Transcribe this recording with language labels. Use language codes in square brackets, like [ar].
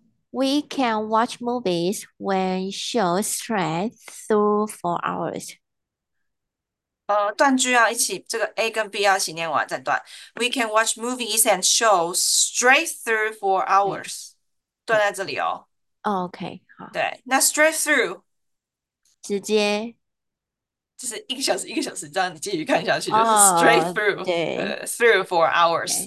[en] We can watch movies when shows drag through 4 hours. [zh] 断句要一起，这个 A 跟 B 要一起念完再断。 [en] We can watch movies and shows straight through 4 hours。 [zh] 断在这里哦。 OK，好， [en] 对，那 straight through [zh] 直接，就是1个小时1个小时，这样你继续看下去就是straight 哦， [en] through， [zh] 对 [en] through 4 hours。